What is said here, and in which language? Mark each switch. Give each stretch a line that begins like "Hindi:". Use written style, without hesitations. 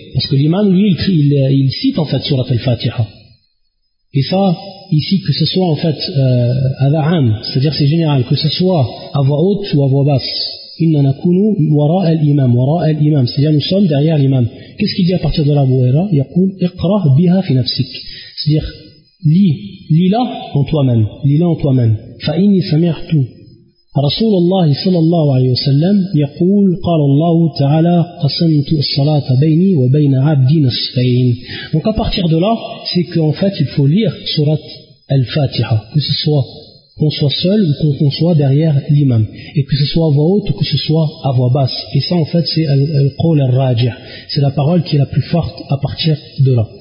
French: Parce que l'imam, lui, il cite en fait surat al-Fatiha. Et ça, ici, que ce soit en fait ala'am, c'est-à-dire c'est général, que ce soit à voix haute ou à voix basse.
Arabic: Inna nakunu wara al-imam, wara al-imam.
French: C'est-à-dire nous sommes derrière l'imam. Qu'est-ce qu'il dit à partir de la Bouhaira? Il dit
Arabic: iqra biha fi nafsik.
French: C'est-à-dire, lis-la en toi-même. Lis-la en toi-même.
Arabic: Fa'ini sami'tu. رسول الله صلى الله عليه وسلم يقول قال الله تعالى قسمت الصلاة بيني وبين عبد نصفين.
French: Donc à partir de là, c'est qu'en fait il faut lire surat al-Fatiha, que ce soit qu'on soit seul ou qu'on soit derrière l'imam, et que ce soit à voix haute ou que ce soit à voix basse. Et ça en fait c'est al-qawl al-rajih, c'est la parole qui est la plus forte à partir de là.